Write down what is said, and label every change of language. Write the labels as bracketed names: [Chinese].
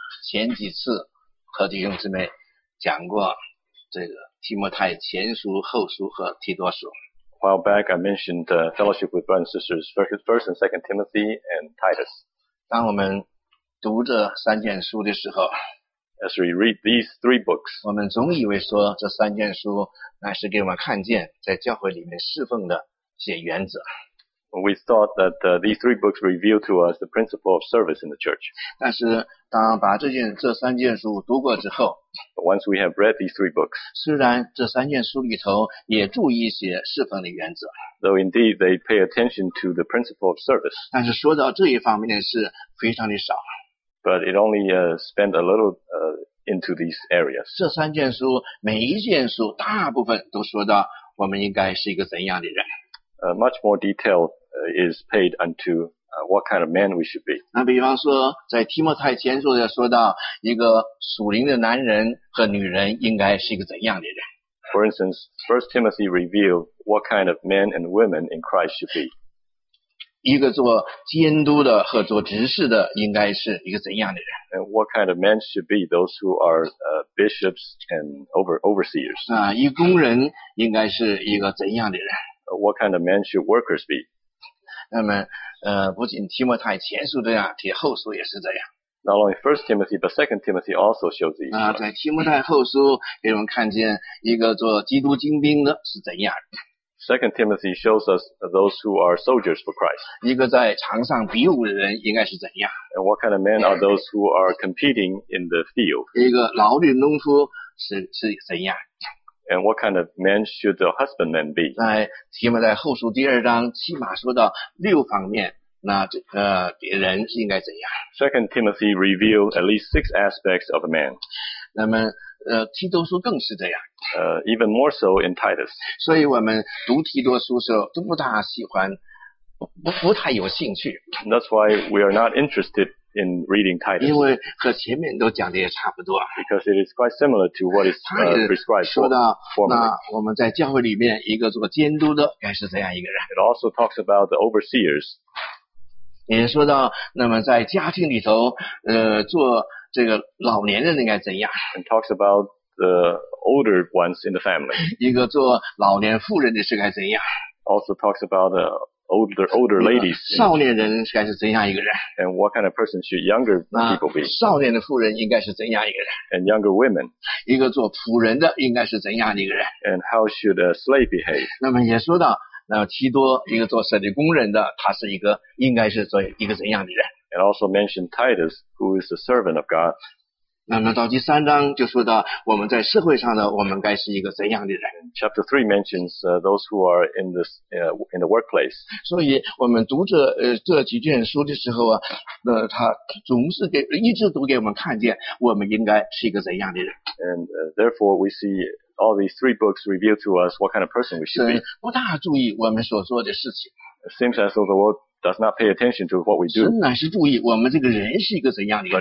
[Chinese] 前几次和弟兄姊妹讲过这个提摩太前书、后书和提多书。 [English] A while back, I mentioned the fellowship with brothers and sisters, First and Second Timothy and Titus. [Chinese] 当我们读这三卷书的时候， [English] as we read these three books, [Chinese] 我们总以为说这三卷书乃是给我们看见在教会里面侍奉的一些原则。 [English] We thought that these three books reveal to us the principle of service in the church. [Chinese] 但是当把这三卷书读过之后， [English] But once we have read these three books, [Chinese] 虽然这三卷书里头也注意一些侍奉的原则， [English] Though indeed they pay attention to the principle of service, [Chinese] 但是说到这一方面是非常的少。 [English] But it only spent a little into these areas. [Chinese] 这三卷书每一卷书大部分都说到我们应该是一个怎样的人。 [English] Much more detail is paid unto what kind of man we should be. [Chinese] 那比方说在提摩太前书说到一个属灵的男人和女人应该是一个怎样的人。 [English] For instance, 1 Timothy revealed what kind of men and women in Christ should be. [Chinese] 一个做监督的和做执事的应该是一个怎样的人。 [English] And what kind of men should be those who are bishops and overseers. [Chinese] 那一工人应该是一个怎样的人。 [English] What kind of men should workers be? [Chinese] 那么不仅提摩太前书这样，提后书也是这样。 [English] Not only 1 Timothy, but 2 Timothy also shows these. [Chinese] 那在提摩太后书给我们看见一个做基督精兵的是怎样。 [English] 2 Timothy shows us those who are soldiers for Christ. [Chinese] 一个在场上比武的人应该是怎样。 [English] And what kind of men are those who are competing in the field? [Chinese] 一个劳力农夫是怎样。 [English] And what kind of man should the husbandman be? [Chinese] 在提摩太后书第二章起码说到六方面，那人是应该怎样？ [English] 2 Timothy revealed at least 6 aspects of a man. [Chinese] 那么提多书更是这样。 [English] Even more so in Titus. [Chinese] 所以我们读提多书的时候都不大喜欢， 不太有兴趣。 [English] That's why we are not interested in reading Titus. [Chinese] 因为和前面都讲的也差不多。 [English] Because it is quite similar to what is prescribed for. [Chinese] 他也说到，那我们在教会里面一个做监督的该是这样一个人。 [English] It also talks about the overseers. [Chinese] 也说到，那么在家庭里头，做这个老年人应该怎样。 [English] And talks about the older ones in the family. [Chinese] 一个做老年妇人的是该怎样。 [English] Also talks about the older ladies. [Chinese] 少年人应该是怎样一个人。 [English] And what kind of person should younger people be? [Chinese] 少年的妇人应该是怎样一个人。 [English] And younger women. [Chinese] 一个做仆人的应该是怎样一个人。 [English] And how should a slave behave? [Chinese] 那么也说到，那提多一个做神的工人的，他是一个应该是做一个怎样的人。 [English] And also mentioned Titus, who is a servant of God. [Chinese] 那么到第三章就说到我们在社会上的我们该是一个怎样的人。 [English] Chapter 3 mentions those who are in this in the workplace. [Chinese] 所以我们读着这几卷书的时候啊，他总是给一直读给我们看见我们应该是一个怎样的人。 [English] And therefore we see all these three books reveal to us what kind of person we should be. [Chinese] 不大注意我们所做的事情。 [English] It seems as though the world does not pay attention to what we do. [Chinese] 神乃是注意我们这个人是一个怎样的人。